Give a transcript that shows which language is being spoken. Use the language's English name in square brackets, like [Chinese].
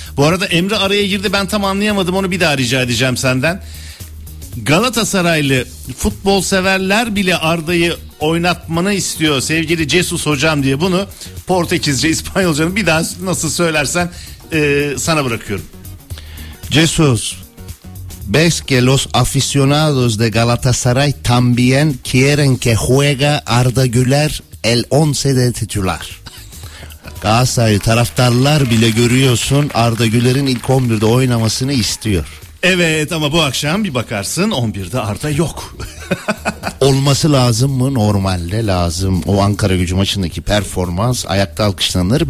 [Turkish] Bu arada Emre araya girdi, ben tam anlayamadım, onu bir daha rica edeceğim senden. Galatasaraylı futbol severler bile Arda'yı oynatmanı istiyor sevgili Jesus hocam diye, bunu Portekizce İspanyolca'nın bir daha nasıl söylersen sana bırakıyorum. [Spanish] Jesus, ves que los aficionados de Galatasaray también quieren que juega Arda Güler el 11 de titular. [Turkish] Galatasaray taraftarlar bile görüyorsun Arda Güler'in ilk 11'de oynamasını istiyor. Evet, ama bu akşam bir bakarsın 11'de Arda yok. Olması lazım mı? Normalde lazım. O Ankara Gücü maçındaki performans ayakta alkışlanır.